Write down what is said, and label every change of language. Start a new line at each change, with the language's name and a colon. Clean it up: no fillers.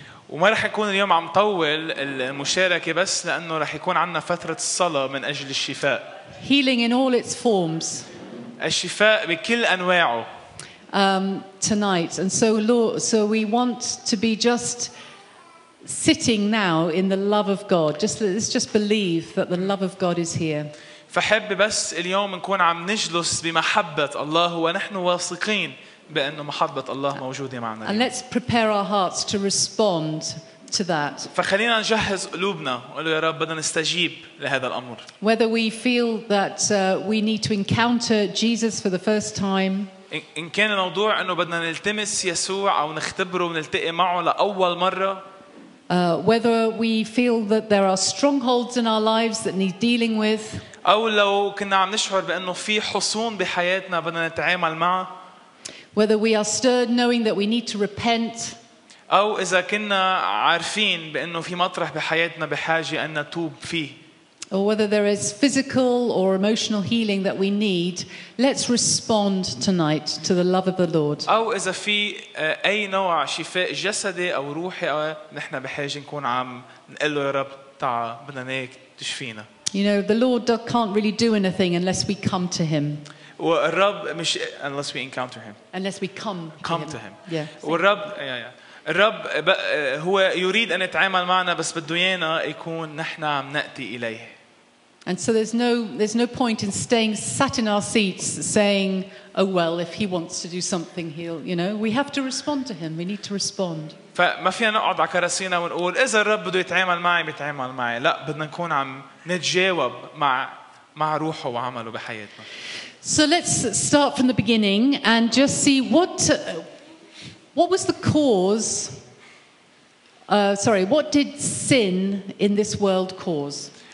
Arabic: وما رح يكون اليوم عم طول المشاركة بس لأنه رح يكون عنا فترة الصلاة من أجل الشفاء.
English: Healing in all its forms.
Arabic: الشفاء بكل أنواعه.
English: Tonight, and so Lord, so we want to be just sitting now in the love of God. Just let's just believe that the love of God is here.
Arabic: فحب بس اليوم نكون عم نجلس بمحبة الله ونحن واثقين بأن محبة الله موجودة معنا.
English: And let's prepare our hearts to respond to that.
Arabic: فخلينا نجهز قلوبنا ونقول يا رب بدنا نستجيب لهذا الأمر.
English: Whether we feel that we need to encounter Jesus for the first time.
Arabic: إن كان الموضوع إنه بدنا نلتمس يسوع أو نختبره ونلتقي معه لأول مرة.
English: Whether we feel that there are strongholds in our lives that need dealing with.
Arabic: أو لو كنا عم نشعر بأنه في حصون بحياتنا بدنا نتعامل معه.
English: Whether we are stirred knowing that we need to repent.
Arabic: أو إذا كنا عارفين بأنه في مطرح بحياتنا بحاجة أن نتوب فيه.
English: Or whether there is physical or emotional healing that we need, let's respond tonight to the love of the Lord.
Arabic: أو إذا في أي نوع شفاء جسدي أو روحي أو نحن بحاجة نكون عم نقول له يا رب تعا بدنا إياك تشفينا.
English: You know, the Lord can't really do anything unless we come to Him.
Arabic: والرب مش
English: unless we encounter Him. Unless we come to Him. Come to Him. Yeah.
Arabic: والرب الرب هو يريد أن يتعامل معنا بس بده إيانا يكون نحن عم نأتي إليه.
English: And so there's no point in staying sat in our seats saying, oh well, if he wants to do something, he'll, you know, we have to respond to him. We need to respond.
Arabic: فما فينا نقعد على كراسينا ونقول إذا الرب بده يتعامل معي بيتعامل معي. لا بدنا نكون عم نتجاوب مع روحه وعمله بحياتنا.
English: So let's start from the beginning and just see what was the cause. What did sin in this world cause?